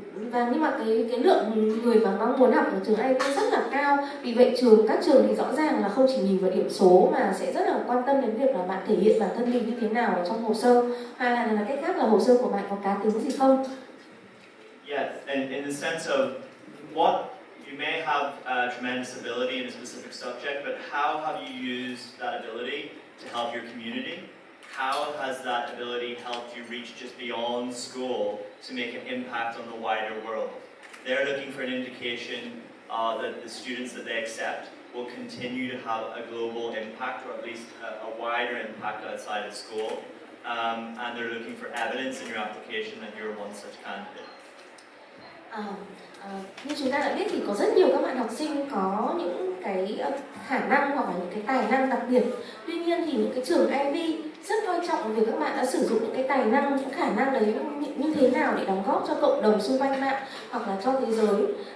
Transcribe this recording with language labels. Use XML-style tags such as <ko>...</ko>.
<vi>Và nhưng mà cái lượng người mà mong muốn học ở trường IV rất là cao, vì vậy các trường thì rõ ràng là không chỉ nhìn vào điểm số mà sẽ rất là quan tâm đến việc là bạn thể hiện bản thân mình như thế nào ở trong hồ sơ, hay là cách khác là hồ sơ của bạn có cá tính gì không.</vi> <en>Yes, and in the sense of what you may have tremendous ability in a specific subject, but how have you used that ability to help your community? How has that ability helped you reach just beyond school to make an impact on the wider world? They're looking for an indication that the students that they accept will continue to have a global impact, or at least a wider impact outside of school. And they're looking for evidence in your application that you're one such candidate.</en> <vi>Như chúng ta đã biết thì có rất nhiều các bạn học sinh có những cái khả năng hoặc là những cái tài năng đặc biệt. Tuy nhiên thì những cái trường IV rất coi trọng việc các bạn đã sử dụng những cái tài năng, những khả năng đấy như thế nào để đóng góp cho cộng đồng xung quanh bạn hoặc là cho thế giới.</vi>